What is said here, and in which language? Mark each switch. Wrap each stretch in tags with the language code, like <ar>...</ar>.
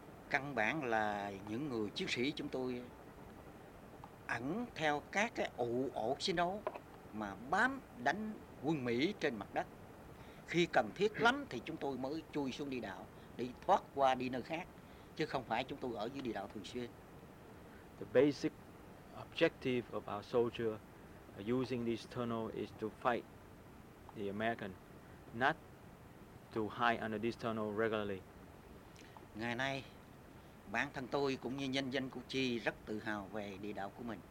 <vi>Căn bản là những người chiến sĩ chúng tôi ẩn theo các cái ổ chiến đấu mà bám đánh quân Mỹ trên mặt đất. Khi cần thiết lắm thì chúng tôi mới chui xuống địa đạo để thoát qua đi nơi khác, chứ không phải chúng tôi ở dưới địa đạo thường xuyên.</vi> <en>The basic objective of our soldier using this tunnel is to fight the American, not to hide under this tunnel regularly.</en> <vi>Ngày nay bản thân tôi cũng như nhân dân Củ Chi rất tự hào về địa đạo của mình.</vi>